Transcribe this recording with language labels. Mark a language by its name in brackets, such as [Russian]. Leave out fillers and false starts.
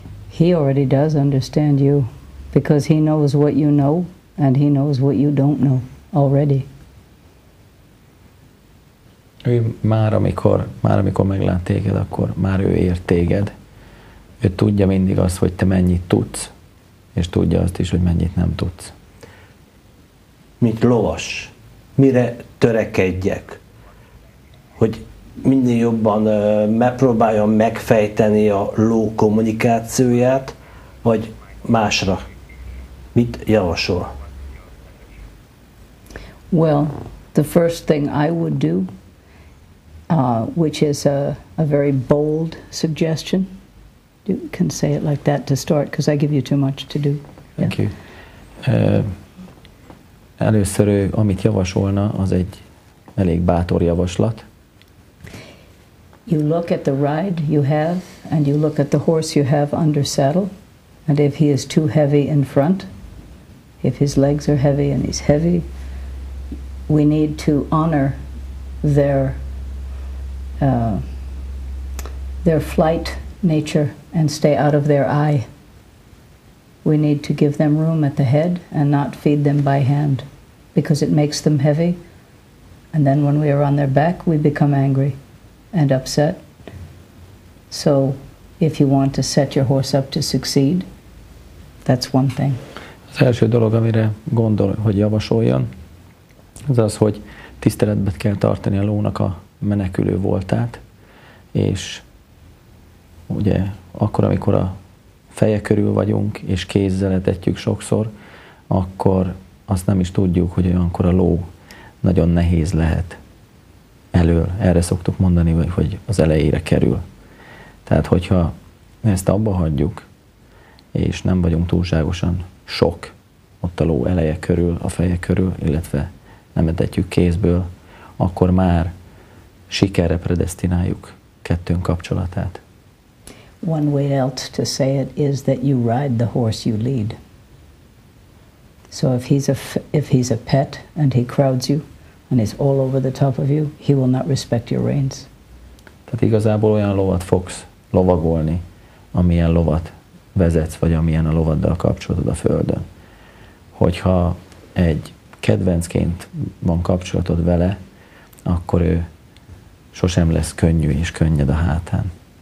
[English] He already does understand you, because he knows what you know, and he knows what you don't know already. [Hungarian] Ő már amikor meglát téged, akkor már ő ért téged. Ő tudja mindig azt, hogy te mennyit tudsz, és tudja azt is, hogy mennyit nem tudsz. Mint lovas, mire törekedjek, hogy minél jobban megpróbáljam megfejteni a ló kommunikációját, vagy másra? Mit javasol? [English] Well, the first thing I would do, which is a very bold suggestion, you can say it like that to start, because I give you too much to do. Thank you. [Hungarian] Először ő, amit javasolna, az egy elég bátor javaslat. [English] You look at the ride you have, and you look at the horse you have under saddle, and if he is too heavy in front, if his legs are heavy and he's heavy, we need to honor their flight nature and stay out of their eye. We need to give them room at the head and not feed them by hand, because it makes them heavy, and then when we are on their back, we become angry and upset. So if you want to set your horse up to succeed, that's one thing. [Hungarian] Az első dolog, amire gondol, hogy javasoljon, az az, hogy tiszteletben kell tartani a lónak a menekülő voltát, és ugye akkor, amikor a feje körül vagyunk, és kézzel etetjük sokszor, akkor azt nem is tudjuk, hogy olyankor a ló nagyon nehéz lehet elől. Erre szoktuk mondani, hogy az elejére kerül. Tehát, hogyha ezt abba hagyjuk, és nem vagyunk túlságosan sok ott a ló eleje körül, a feje körül, illetve nem etetjük kézből, akkor már sikerre predesztináljuk kettőnk kapcsolatát. [English] One way else to say it is that you ride the horse you lead. So if he's a pet and he crowds you and is all over the top of you, he will not respect your reins. [Hungarian] Tehát igazából olyan lovat fogsz lovagolni, amilyen lovat vezetsz, vagy amilyen a lovaddal kapcsolatod a földön. Hogyha egy kedvencként van kapcsolatod vele, akkor ő sosem lesz könnyű és könnyed a hátán.